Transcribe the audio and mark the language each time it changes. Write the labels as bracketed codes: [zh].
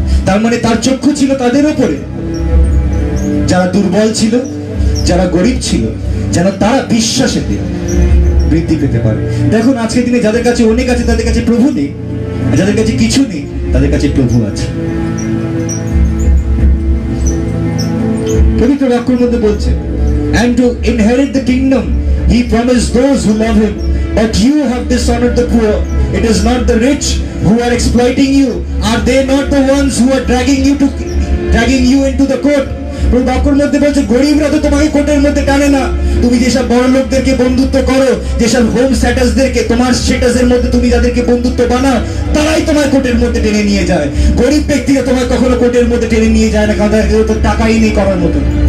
[bn] তার মানে তার চক্ষু ছিল তাদের উপরে যারা দুর্বল ছিল, যারা গরিব ছিল, যেন তারা বিশ্বাসে বৃদ্ধি পেতে পারে। দেখুন আজকে দিনে যাদের কাছে অনেক আছে তাদের কাছে প্রভু নেই, যাদের কাছে কিছু নেই তাদের কাছে প্রভু আছে। পবিত্র বাক্যের মধ্যে বলছে [en] and to inherit the kingdom he promised those who love him, but you have dishonored the poor. It is not the rich who are exploiting you, are they not the ones who are dragging you into the court? [bn] প্রভু বাক্যের মধ্যে বলছে গরিবরা তো তোমাকে কোর্টের মধ্যে টানে না, তুমি যেসব বড় লোকদেরকে বন্ধুত্ব করো, যেসব হোম স্ট্যাটাসদেরকে তোমার স্ট্যাটাসের মধ্যে তুমি যাদেরকে বন্ধুত্ব বানাও তারাই তোমার কোর্টের মধ্যে টেনে নিয়ে যায়। গরিব ব্যক্তিরা তোমার কখনো কোর্টের মধ্যে টেনে নিয়ে যায় না, কারণ তাদের তো টাকাই নেই করার মতো।